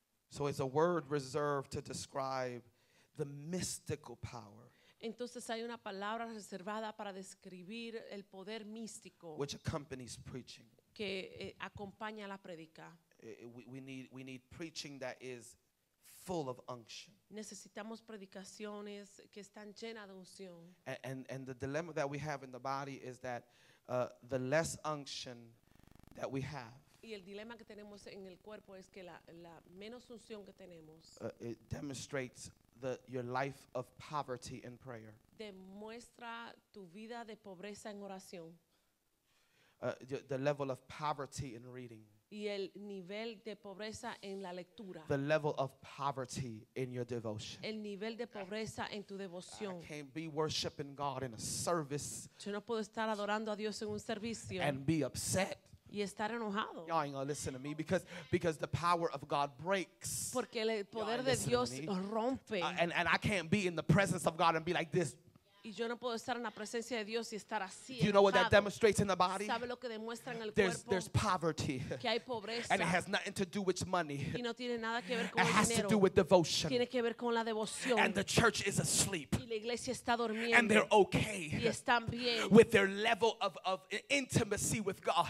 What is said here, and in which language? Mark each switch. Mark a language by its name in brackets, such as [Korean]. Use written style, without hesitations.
[English] So it's a word reserved to describe the mystical power. [Spanish] Entonces hay una palabra reservada para describir el poder místico. [English] Which accompanies preaching. [Spanish] Que acompaña la predica. [English] We need preaching that is full of unction. [Spanish] Necesitamos predicaciones que están llenas de unción. [English] And the dilemma that we have in the body is that the less unction that we have. [Spanish] Y el dilema que tenemos en el cuerpo es que la menos unción que tenemos. [English] It demonstrates your life of poverty in prayer. [Spanish] Demuestra tu vida de pobreza en oración. [English] The level of poverty in reading. [Spanish] Y el nivel de pobreza en la lectura. [English] The level of poverty in your devotion. [Spanish] El nivel de pobreza en tu devoción. [English] I can't be worshiping God in a service. [Spanish] Yo no puedo estar adorando a Dios en un servicio. [English] And be upset. [Spanish] Y estar enojado. [English] Y'all ain't gonna listen to me because the power of God breaks. [Spanish] Porque el poder de Dios rompe. [English] And I can't be in the presence of God and be like this. [Spanish] Y yo no puedo estar en la presencia de Dios y estar así. [English] You know what that demonstrates in the body? [Spanish] ¿Sabe lo que demuestra en el [English] cuerpo? There's poverty. [Spanish] Que hay pobreza. [English] And it has nothing to do with money. [Spanish] Y no tiene nada que ver con el dinero. [English] It has to do with devotion. [Spanish] Tiene que ver con la devoción. [English] And the church is asleep. [Spanish] Y la iglesia está durmiendo. [English] And they're okay. [Spanish] Y están bien. [English] With their level of intimacy with God.